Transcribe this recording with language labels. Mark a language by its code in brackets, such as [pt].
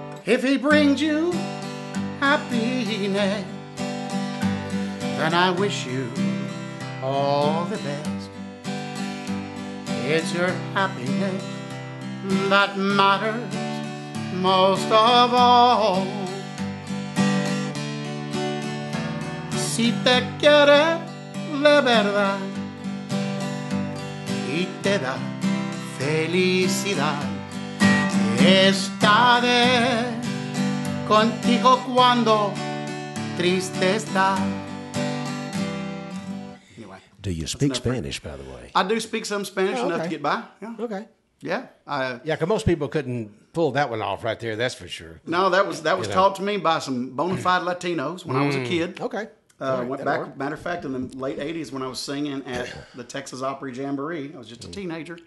[en] If he brings you happiness, then I wish you all the best. It's your happiness that matters most of all. [es] Si te quiere de verdad y te da felicidad, estaré contigo cuando triste está. [en] Do you speak Spanish, by the way? I do speak some Spanish enough to get by. Yeah. Okay. Yeah. Yeah, because most people couldn't pull that one off right there, that's for sure. No, that was taught to me by some bona fide Latinos when I was a kid. Okay. Matter of fact, in the late 80s when I was singing at the Texas Opry Jamboree, I was just a teenager.